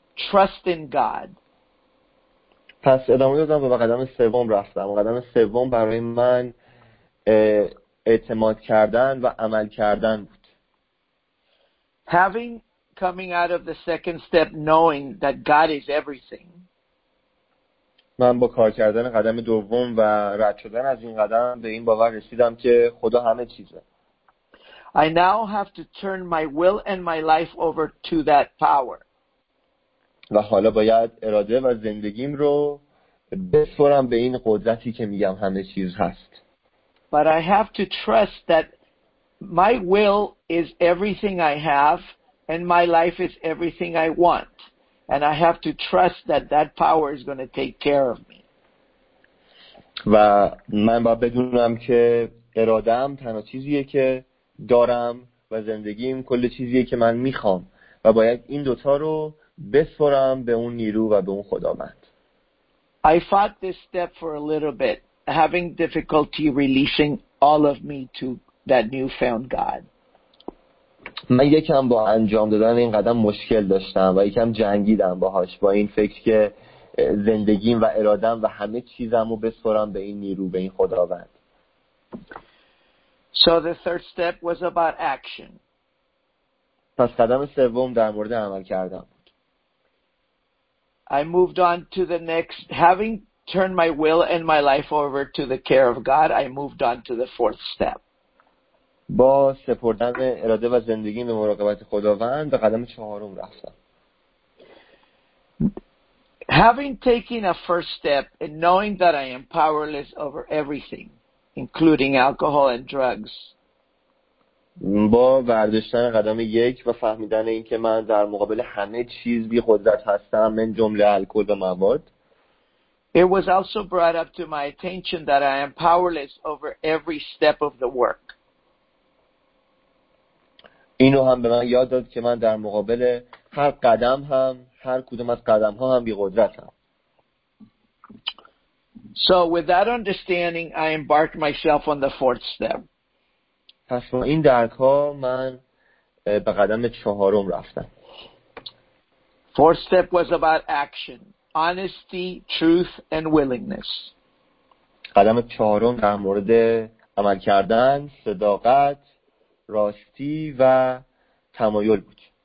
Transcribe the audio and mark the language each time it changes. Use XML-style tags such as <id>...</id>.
<en>Trust in God.</en> <fa>پس ادامه دادم و به قدم سوم رفتم. قدم سوم برای من اعتماد کردن و عمل کردن بود.</fa> <en>Having coming out of the second step knowing that God is everything.</en> <fa>من با کار کردن قدم دوم و رد شدن از این قدم به این باور رسیدم که خدا همه چیزه.</fa> <en>I now have to turn my will and my life over to that power.</en> <fa>و حالا باید اراده و زندگیم رو بسپرم به این قدرتی که میگم همه چیز هست.</fa> <en>but I have to trust that my will is everything I have, and my life is everything I want. And I have to trust that that power is going to take care of me.</en> <fa>و من باید بدونم که ارادم تنها چیزیه که دارم و زندگیم کل چیزیه که من میخوام و باید این دوتا رو بسپرم به اون نیرو و به اون خداوند.</fa> <en>I fought this step for a little bit, having difficulty releasing all of me to that newfound God.</en> <fa>من یکم با انجام دادن این قدم مشکل داشتم و یکم جنگیدم باهاش با این فکر که زندگیم و ارادم و همه چیزم رو بسپرم به این نیرو به این خداوند.</fa> <en>So the third step was about action.</en> <fa>پس قدم سوم در مورد عمل کردن بود.</fa> <en>I moved on to the next, having turned my will and my life over to the care of God, I moved on to the fourth step.</en> <fa>با سپردن اراده و زندگیم به مراقبت خداوند به قدم چهارم رفتم.</fa> <en>Having taken a first step and knowing that I am powerless over everything, including alcohol and drugs.</en> <fa>با برداشتن قدم یک و فهمیدن اینکه من در مقابل همه چیز بی قدرت هستم من جمله الکل و مواد.</fa> <en>It was also brought up to my attention that I am powerless over every step of the work.</en> <fa>اینو هم به من یاد داد که من در مقابل هر قدم هم هر کدوم از قدم ها هم بی قدرت هم.</fa> <en>So with that understanding, I embarked myself on the fourth step.</en> <fa>پس با این درک ها من به قدم چهارم رفتم.</fa> <en>Fourth step was about action, honesty, truth, and willingness.</en> <fa>قدم چهارم در مورد عمل کردن، صداقت، راستی و تمایل بود.</fa>